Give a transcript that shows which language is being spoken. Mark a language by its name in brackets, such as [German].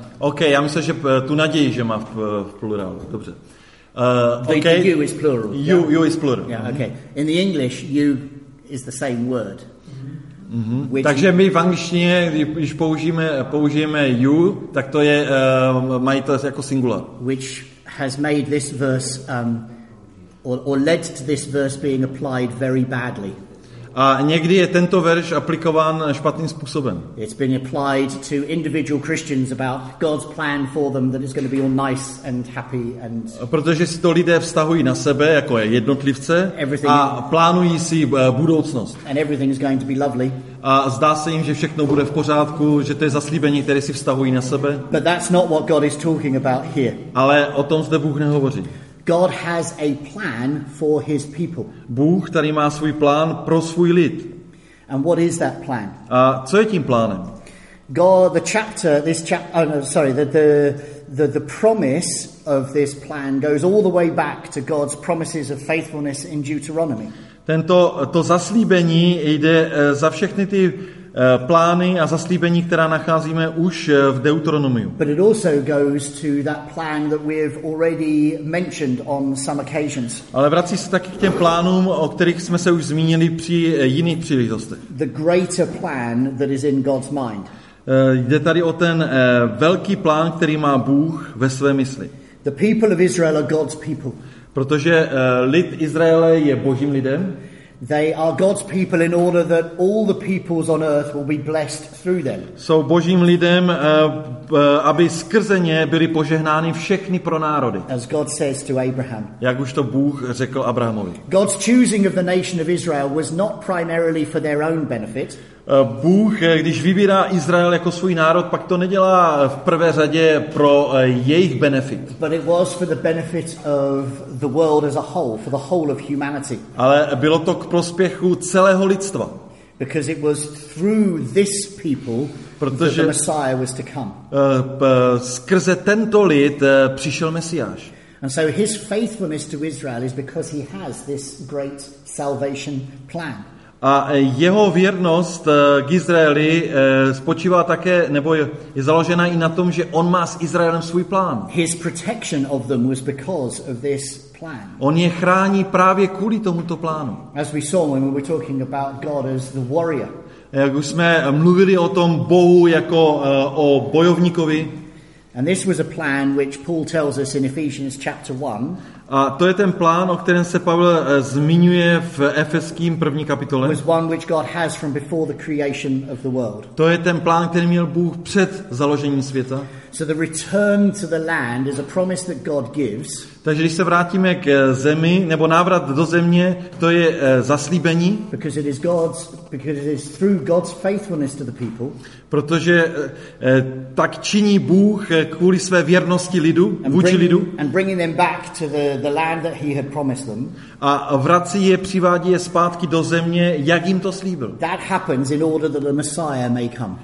[Czech] OK, já myslím, že tu naději, že má v plurálu. Dobře. [English] Okay. The you is plural. You is plural. Yeah, OK. In the English, you is the same word. Mm-hmm. [Czech] Takže my v angličtině, když použijeme you, tak to je mají to jako singular. [English] Which has made this verse or led to this verse being applied very badly. [Czech] A někdy je tento verš aplikován špatným způsobem. [English] It's been applied to individual Christians about God's plan for them that it's going to be all nice and happy and. [Czech] Protože si to lidé vztahují na sebe jako jednotlivce a plánují si budoucnost. [English] And everything is going to be lovely. [Czech] A zdá se jim, že všechno bude v pořádku, že to je zaslíbení, které si vztahují na sebe. [English] But that's not what God is talking about here. [Czech] Ale o tom zde Bůh nehovoří. [English] God has a plan for his people. [Czech] Bůh tady má svůj plán pro svůj lid. [English] And what is that plan? [Czech] A co je tím plánem? [English] God, the promise of this plan goes all the way back to God's promises of faithfulness in Deuteronomy. [Czech] To zaslíbení jde za všechny ty plány a zaslíbení, která nacházíme už v Deuteronomiu. [English] But it also goes to that plan that we've already mentioned on some occasions. [Czech] Ale vrací se taky k těm plánům, o kterých jsme se už zmínili při jiných příležitostech. [English] The greater plan that is in God's mind. [Czech] Jde tady o ten velký plán, který má Bůh ve své mysli. [English] The people of Israel are God's people. [Czech] Protože lid Izraele je Božím lidem. [English] They are God's people in order that all the peoples on earth will be blessed through them. [Czech] Jsou Božím lidem, aby skrze ně byly požehnány všechny pronárody. [English] As God says to Abraham. [Czech] Jak už to Bůh řekl Abrahamovi. [English] God's choosing of the nation of Israel was not primarily for their own benefit. [Czech] Bůh, když vybírá Izrael jako svůj národ, pak to nedělá v prvé řadě pro jejich benefit. [English] But it was for the benefit of the world as a whole, for the whole of humanity. [Czech] Ale bylo to k prospěchu celého lidstva. [English] Because it was through this people [Czech] protože [English] that the Messiah was to come. [Czech] Skrze tento lid přišel Mesiáš. [English] And so his faithfulness to Israel is because he has this great salvation plan. [Czech] A jeho věrnost k Izraeli spočívá také, nebo je založena i na tom, že on má s Izraelem svůj plán. [English] His protection of them was because of this plan. [Czech] On je chrání právě kvůli tomuto plánu. [English] As we saw when we were talking about God as the warrior. [Czech] Jak už jsme mluvili o tom Bohu jako o bojovníkovi. [English] And this was a plan which Paul tells us in Ephesians chapter 1. [Czech] A to je ten plán, o kterém se Pavel zmiňuje v Efeským první kapitole. [English] Was one which God has from before the creation of the world. [Czech] To je ten plán, který měl Bůh před založením světa. [English] So the return to the land is a promise that God gives. [Czech] Takže když se vrátíme k zemi nebo návrat do země, to je zaslíbení. [English] Because it is God's, because it is through God's faithfulness to the people. [Czech] Protože tak činí Bůh kvůli své věrnosti lidu, vůči lidu. [English] And bringing them back to the land that he had promised them. [Czech] A vrací je, přivádí je zpátky do země, jak jim to slíbil. [English] That happens in order that the Messiah may come.